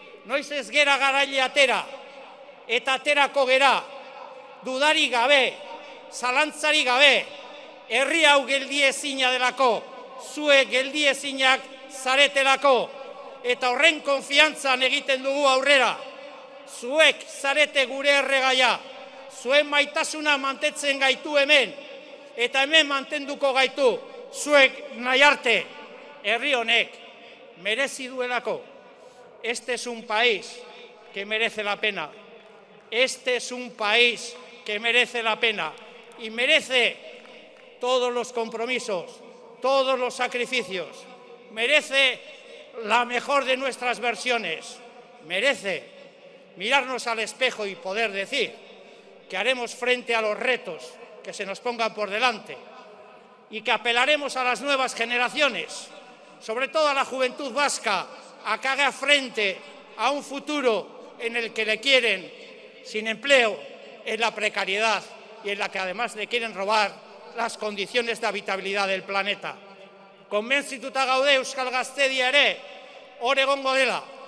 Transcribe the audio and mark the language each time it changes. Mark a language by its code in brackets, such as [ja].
[eu] noiz ez gera garaile atera, eta aterako gera, dudari gabe, zalantzari gabe, herri hau geldiezina delako, zue geldiezinak zaretelako, eta horren konfiantzan egiten dugu aurrera, zuek zarete gure erregaia, zuen maitasuna mantetzen gaitu hemen, eta hemen mantenduko gaitu, zuek nahi arte, herri honek merezi duelako. [es] Este es un país que merece la pena. Este es un país que merece la pena. Y merece todos los compromisos, todos los sacrificios. Merece la mejor de nuestras versiones. Merece mirarnos al espejo y poder decir que haremos frente a los retos que se nos pongan por delante y que apelaremos a las nuevas generaciones, sobre todo a la juventud vasca, a que haga frente a un futuro en el que le quieren sin empleo, en la precariedad y en la que además le quieren robar las condiciones de habitabilidad del planeta. [eu] Konbentzituta gaude Euskal Gaztedia ere, hor egongo dela.